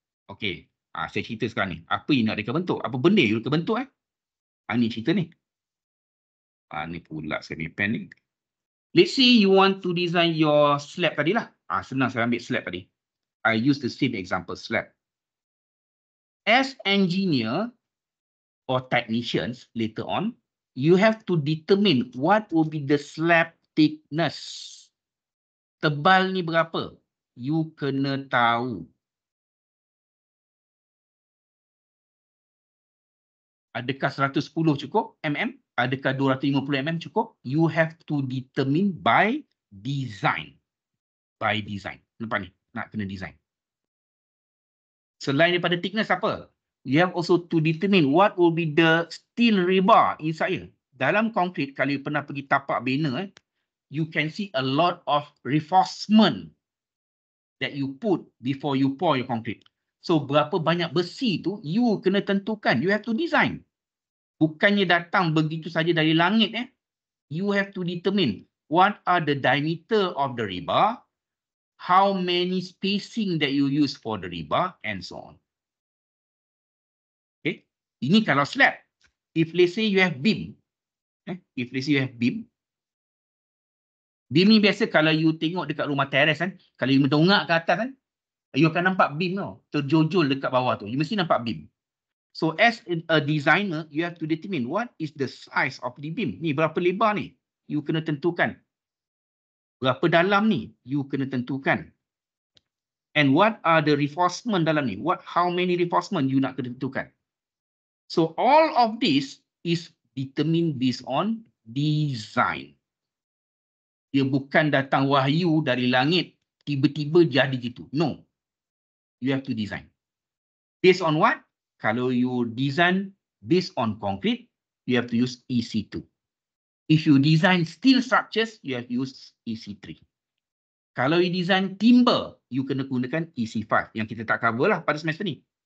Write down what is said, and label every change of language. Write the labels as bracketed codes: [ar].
[ms] Okay, saya cerita sekarang ni. Apa yang nak reka bentuk? Apa benda you reka bentuk eh? Ini cerita ni. Ini pula saya punya pen ni. [en] Let's say you want to design your slab tadi lah. [ms] Senang saya ambil slab tadi. [en] I use the same example slab. As engineer or technicians later on, you have to determine what will be the slab thickness. [ms] Tebal ni berapa? You kena tahu. Adakah 110 cukup mm? Adakah 250 mm cukup? [en] You have to determine by design. By design. [ms] Nampak ni? Nak kena design. Selain daripada thickness apa? [en] You have also to determine what will be the steel rebar inside. [ms] Dalam concrete, kalau you pernah pergi tapak bina, [en] you can see a lot of reinforcement that you put before you pour your concrete. [ms] So berapa banyak besi tu, you kena tentukan. [en] You have to design. [ms] Bukannya datang begitu saja dari langit. [en] You have to determine what are the diameter of the rebar, how many spacing that you use for the rebar, and so on. Okay. [ms] Ini kalau slab. [en] If let's say you have beam. If let's say you have beam. [ms] Beam ni biasa kalau you tengok dekat rumah teres kan. Kalau you mendongak ke atas kan. You akan nampak beam tau. Terjojol dekat bawah tu. You mesti nampak beam. [en] So as a designer, you have to determine what is the size of the beam. [ms] Ni berapa lebar ni? You kena tentukan. Berapa dalam ni? [en] You [ms] kena tentukan. [en] And what are the reinforcement [ms] dalam ni? [en] What, how many reinforcement you [ms] nak kena tentukan? [en] So all of this is determined based on design. [ms] Dia bukan datang wahyu dari langit, tiba-tiba jadi gitu. [en] No. You have to design. Based on what? Kalau you design based on concrete, you have to use EC2. If you design steel structures, you have to use EC3. [ms] Kalau you design timber, you kena gunakan EC5 yang kita tak cover lah pada semester ni.